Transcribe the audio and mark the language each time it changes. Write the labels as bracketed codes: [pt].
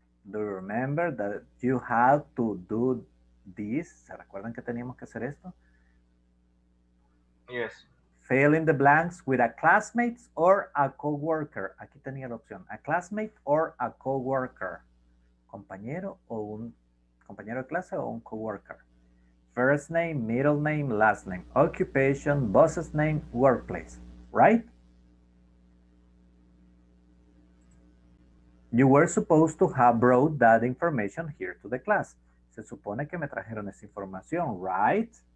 [en] Do you remember that you had to do this? [es] ¿Se recuerdan que teníamos que hacer esto? [en] Yes. Fill in the blanks with a classmate or a coworker. [es] Aquí tenía la opción. [en] A classmate or a coworker. [es] Compañero o un compañero de clase o un coworker. [en] First name, middle name, last name, occupation, boss's name, workplace, right? You were supposed to have brought that information here to the class. [es] Se supone que me trajeron esa información, right?